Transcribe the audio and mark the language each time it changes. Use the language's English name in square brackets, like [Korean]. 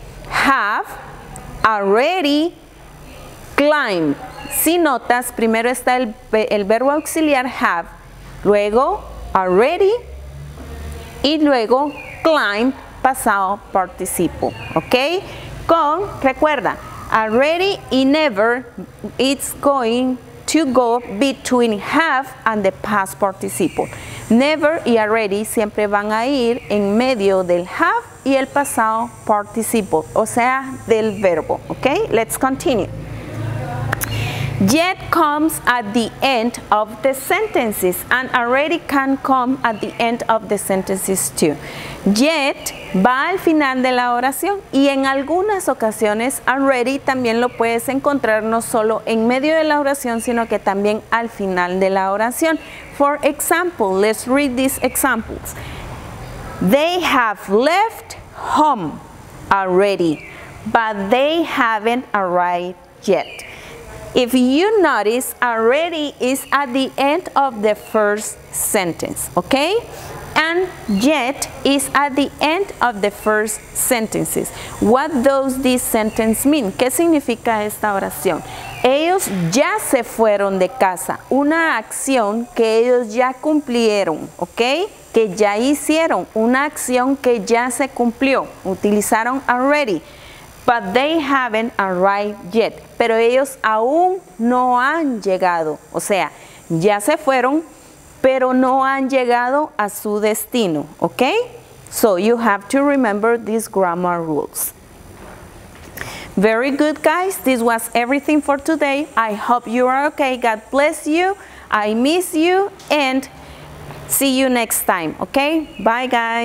[English] Have already climbed. [Spanish] Si notas, primero está el verbo auxiliar have, luego already, y luego climb, pasado participo, ¿ok? Con, recuerda, [English] already y never, it's going to go between have and the past participle. [Spanish] Never y already siempre van a ir en medio del have y el pasado participle, o sea, del verbo, ¿ok? [English] Let's continue. Yet comes at the end of the sentences, and already can come at the end of the sentences too. [Spanish] Yet va al final de la oración, y en algunas ocasiones already también lo puedes encontrar no solo en medio de la oración, sino que también al final de la oración. [English] For example, let's read these examples. They have left home already, but they haven't arrived yet. If you notice, already is at the end of the first sentence, okay? And yet is at the end of the first sentences. What does this sentence mean? [Spanish] ¿Qué significa esta oración? Ellos ya se fueron de casa. Una acción que ellos ya cumplieron, okay? Que ya hicieron. Una acción que ya se cumplió. [English] Utilizaron already. But they haven't arrived yet. [Spanish] Pero ellos aún no han llegado. O sea, ya se fueron, pero no han llegado a su destino. ¿Ok? [English] So you have to remember these grammar rules. Very good, guys. This was everything for today. I hope you are okay. God bless you. I miss you and see you next time. Okay? Bye, guys.